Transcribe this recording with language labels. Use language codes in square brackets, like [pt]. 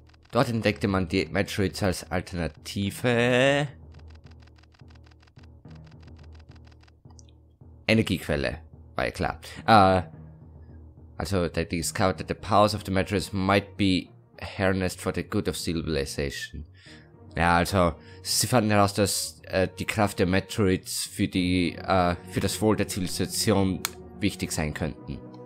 [de] Dort entdeckte man die Metroids als alternative Energiequelle. War ja klar. [en] Also, they discovered that the powers of the Metroids might be harnessed for the good of civilization. [de] Ja, also, sie fanden heraus, dass die Kraft der Metroids für das Wohl der Zivilisation wichtig sein könnten.